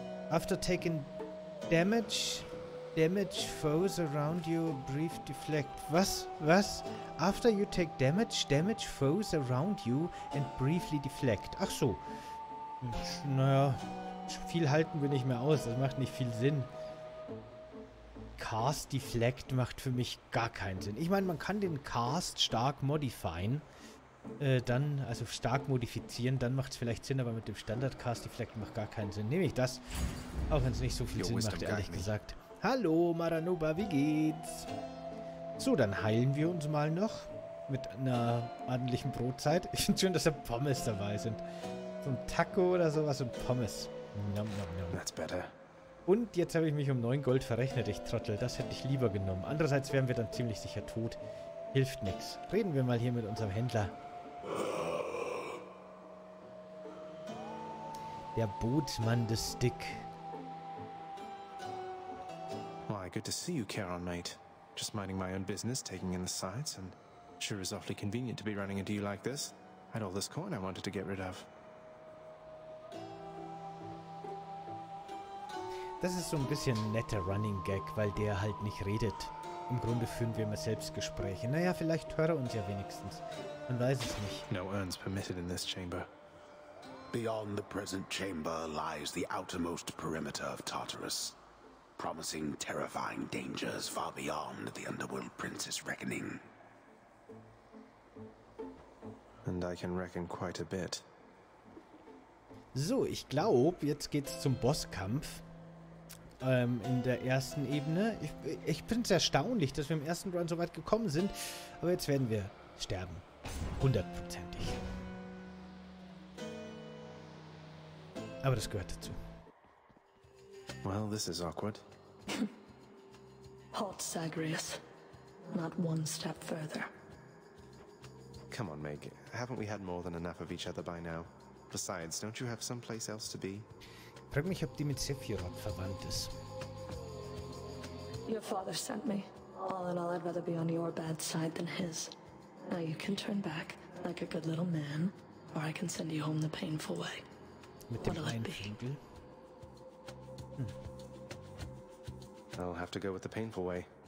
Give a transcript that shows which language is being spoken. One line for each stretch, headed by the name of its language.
English: After taking damage, damage foes around you brief deflect.
German: Was? Was?
English: After you take damage, damage foes around you and briefly deflect.
German: Ach so. Naja, Viel halten wir nicht mehr aus. Das macht nicht viel Sinn. Cast Deflect macht für mich gar keinen Sinn. Ich meine, man kann den Cast stark modifieren. Dann, also stark modifizieren, dann macht es vielleicht Sinn, aber mit dem Standard Cast Deflect macht gar keinen Sinn. Nehme ich das, auch wenn es nicht so viel Sinn macht, ehrlich gesagt. Hallo Maranuba, wie geht's? So, dann heilen wir uns mal noch mit einer ordentlichen Brotzeit. Ich finde schön, dass da Pommes dabei sind. So ein Taco oder sowas und Pommes. Nom, nom, nom.
English: That's better.
German: Und jetzt habe ich mich um 9 Gold verrechnet, ich Trottel. Das hätte ich lieber genommen. Andererseits wären wir dann ziemlich sicher tot. Hilft nichts. Reden wir mal hier mit unserem Händler. Der Bootsmann des Dick.
English: Why, good to see you, Charon, mate. Just minding my own business, taking in the sights, and sure is awfully convenient to be running into you like this. I had all this coin I wanted to get rid of.
German: Das ist so ein bisschen ein netter Running Gag, weil der halt nicht redet. Im Grunde führen wir immer selbst Gespräche. Naja, vielleicht hört er uns ja wenigstens. Man weiß es nicht.
English: No urns permitted in this chamber. Beyond the present chamber lies the outermost perimeter of Tartarus, promising terrifying dangers far beyond the Underworld Prince's reckoning. And I can reckon quite a bit.
German: So, ich glaube, jetzt geht's zum Bosskampf. In der ersten Ebene. Ich finde es erstaunlich, dass wir im ersten Run so weit gekommen sind. Aber jetzt werden wir sterben. Hundertprozentig. Aber das gehört dazu.
English: Well, this is awkward. Halt, Sagrius. Not one step further. Come on, Meg. Haven't we had more than enough of each other by now? Besides, don't you have someplace else to be?
German: Frag mich, ob die mit Sephiroth verwandt ist.
English: Your father sent me. All in all, I'd rather be on your bad side than his. Now you can turn back, like a good little man, or I can send you home the painful way.
German: Mit dem einen Finkel?
English: I'll have to go with the painful way.